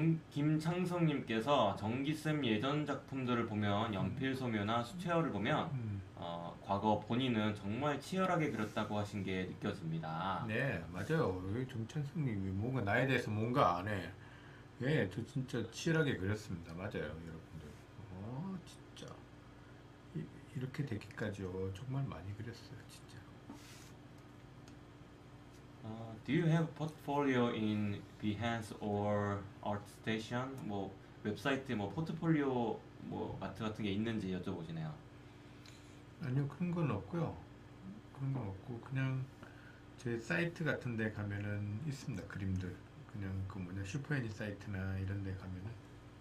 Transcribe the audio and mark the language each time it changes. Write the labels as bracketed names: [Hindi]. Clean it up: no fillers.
[Korean] 김창성님께서 정기쌤 예전 작품들을 보면 연필소묘나 수채화를 보면 과거 본인은 정말 치열하게 그렸다고 하신 게 느껴집니다. 네, 맞아요. 여기 정찬숙님이 뭔가 나에 대해서 뭔가 아네. 예, 저 진짜 치열하게 그렸습니다. 맞아요, 여러분들. 어, 진짜. 이렇게 되기까지요. 정말 많이 그렸어요, 진짜. [English] Do you have a portfolio in Behance or ArtStation? [Korean] 뭐 웹사이트 뭐 포트폴리오 뭐 아트 같은 게 있는지 여쭤보시네요. 아니요, 그런 건 없고요. 그런 건 없고 그냥 제 사이트 같은 데 가면은 있습니다. 그림들. 그냥 그 뭐냐 슈퍼애니 사이트나 이런 데 가면은.